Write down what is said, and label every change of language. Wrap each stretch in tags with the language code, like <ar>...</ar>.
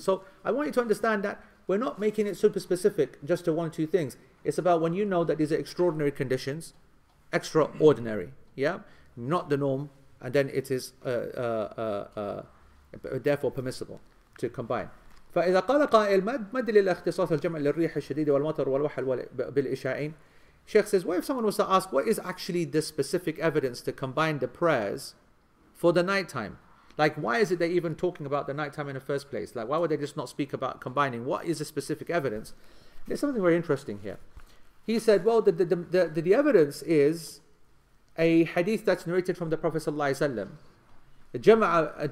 <en>So I want you to understand that we're not making it super specific just to one or two things. It's about when you know that these are extraordinary conditions, extraordinary, yeah, not the norm, and then it is therefore permissible to combine.</en> <ar>فإذا قال قائل ما دليل اختصاص الجمع للريح الشديدة والمطر والوحل بالإشاعين.</ar> <en>Sheikh says, what if someone was to ask, what is actually the specific evidence to combine the prayers for the nighttime? Like, why is it they're even talking about the nighttime in the first place? Like, why would they just not speak about combining? What is the specific evidence? There's something very interesting here. He said, well, the evidence is a hadith that's narrated from the Prophet sallallahu alaihi wasallam.</en>